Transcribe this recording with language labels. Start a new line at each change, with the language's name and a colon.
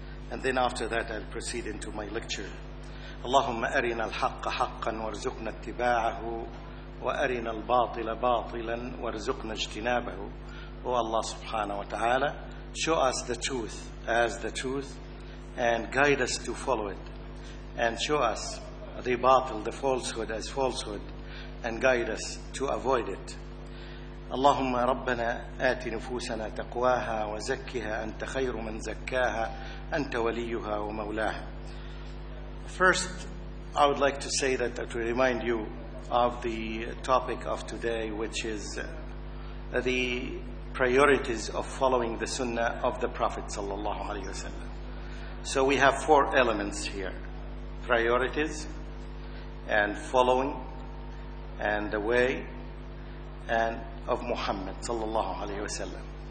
English: And then after that, I'll proceed into my lecture.
Arabic: اللهم أرنا الحق حقا وارزقنا اتباعه وأرنا الباطل باطلا وارزقنا اجتنابه.
English: O Allah subhanahu wa ta'ala, show us the truth as the truth and guide us to follow it. And show us the batil, the falsehood as falsehood, and guide us to avoid it.
Arabic: اللهم ربنا آت نفوسنا تقواها وزكها أنت خير من زكاها أنت وليها ومولاها.
English: First, I would like to say that to remind you of the topic of today, which is the priorities of following the sunnah of the Prophet sallallahu alaihi wasallam. So we have four elements here: priorities and following and the way and of Muhammad sallallahu alaihi wasallam.